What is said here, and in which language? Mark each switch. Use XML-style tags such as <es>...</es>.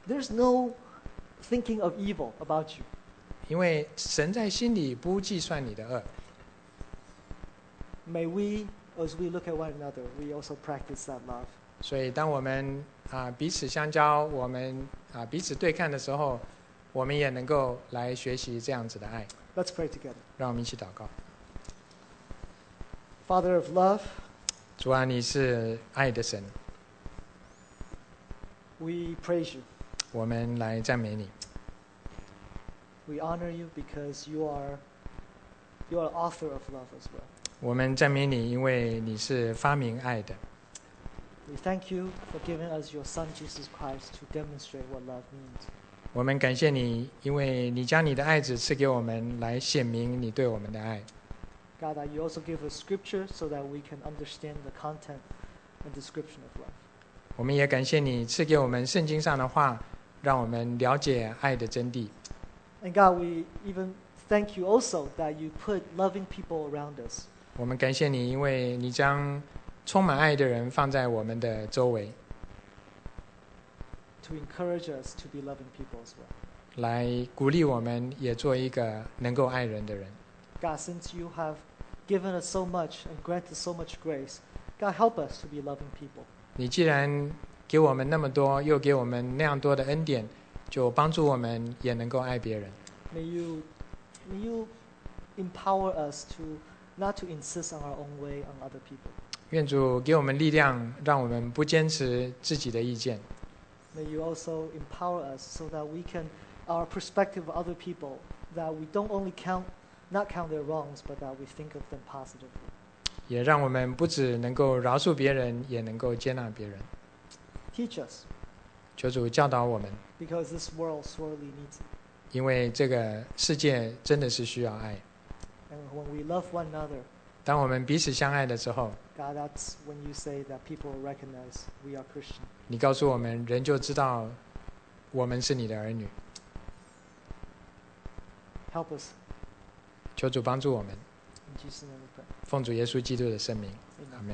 <en>There's no thinking of evil about you.</en> <zh>因为神在心里不计算你的恶。</zh> <en>May we, as we look at one another, we also practice that love.</en> <zh>所以当我们彼此相交，我们彼此对看的时候，我们也能够来学习这样子的爱。</zh> <en>Let's pray together.</en> <zh>让我们一起祷告。</zh> <en>Father of love.</en> <zh>主啊，你是爱的神。</zh> <en>We praise you.</en> <zh>我们来赞美你。</zh> <en>We honor you because you are the author of love as well.</en> <zh>我们赞美你，因为你是发明爱的。</zh> <en>We thank you for giving us your Son Jesus Christ to demonstrate what love means.</en> <zh>我们感谢你，因为你将你的爱子赐给我们，来显明你对我们的爱。</zh> <en>God, you also give us scripture so that we can understand the content and description of love.</en> <zh>我们也感谢你赐给我们圣经上的话，让我们了解爱的真谛。</zh> <en>And God, we even thank you also that you put loving people around us.</en> <zh>我们感谢你，因为你将充满爱的人放在我们的周围。</zh> <en>To encourage us to be loving people as well.</en> <zh>来鼓励我们也做一个能够爱人的人。</zh> <en>God, since you have given us so much and granted so much grace, God, help us to be loving people.</en> <zh>你既然给我们那么多，又给我们那样多的恩典，就帮助我们也能够爱别人。</zh> <en>May you empower us to not to insist on our own way on other people.</en> <zh>愿主给我们力量，让我们不坚持自己的意见。</zh> <en>May you also empower us so that we can our perspective of other people that we don't only count. Not count their wrongs, but that we think of them positively.</en> <zh>也让我们不只能够饶恕别人，也能够接纳别人。</zh> <en>Teach us.</en> <zh>求主教导我们。</zh> <en>Because this world sorely needs it.</en> <zh>因为这个世界真的是需要爱。</zh> <en>And when we love one another.</en> <zh>当我们彼此相爱的时候。</zh> <en>God, that's when you say that people recognize we are Christian.</en> <zh>你告诉我们，人就知道我们是你的儿女。</zh> <en>Help us.</en> <zh>求主帮助我们。</zh> <en>In Jesus' name we pray.</en> <zh>奉主耶稣基督的圣名。阿门。</zh>